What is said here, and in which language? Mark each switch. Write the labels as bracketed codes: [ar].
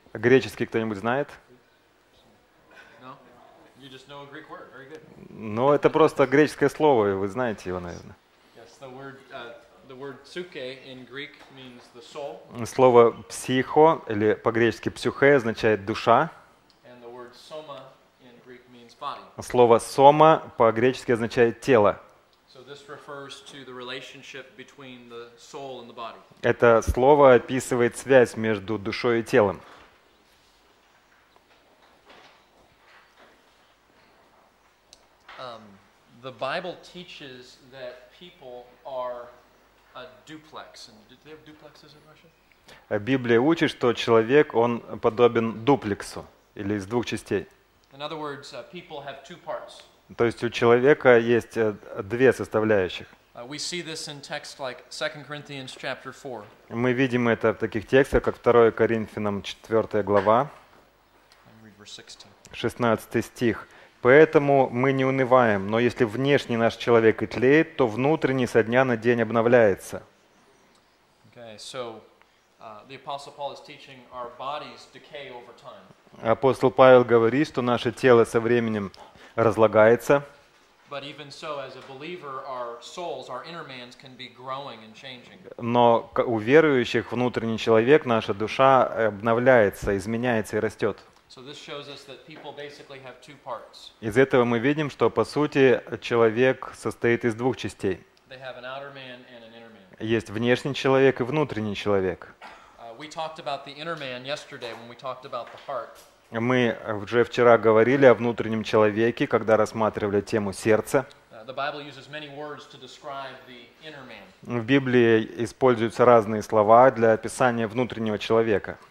[ru] Греческий кто-нибудь знает? [en] You just know a Greek word. Very good. [ru] Ну, это просто греческое слово, и вы знаете его, наверное. [en] Yes, the word psyche in Greek means the soul. [ru] Слово психо или по-гречески psyche означает душа. [en] And the word soma in Greek means body. [ru] Слово сома по-гречески означает тело. [en] So this refers to the relationship between the soul and the body. [ru] Это слово описывает связь между душой и телом. [en] The Bible teaches that people are a duplex. And do they have duplexes in Russia? [ru] Библия учит, что человек, он подобен дуплексу, или из двух частей. [en] In other words, people have two parts. [ru] То есть у человека есть две составляющих. [en] We see this in texts like 2 Corinthians chapter 4. [ru] Мы видим это в таких текстах, как 2 Коринфянам 4 глава, 16 стих. Поэтому мы не унываем, но если внешний наш человек и тлеет, то внутренний со дня на день обновляется. [en] Okay, so, the Apostle Paul is teaching our bodies decay over time. [ru] Апостол Павел говорит, что наше тело со временем разлагается. [en] But even so, as a believer, our souls, our inner man can be growing and changing. [ru] Но у верующих внутренний человек, наша душа обновляется, изменяется и растет. [en] So this shows us that people basically have two parts. [ru] Из этого мы видим, что по сути человек состоит из двух частей. [en] They have an outer man and an inner man. [ru] Есть внешний человек и внутренний человек. [en] We talked about the inner man yesterday when we talked about the heart. [ru] Мы уже вчера говорили о внутреннем человеке, когда рассматривали тему сердца. [en] The Bible uses many words to describe the inner man. [ru] В Библии используются разные слова для описания внутреннего человека.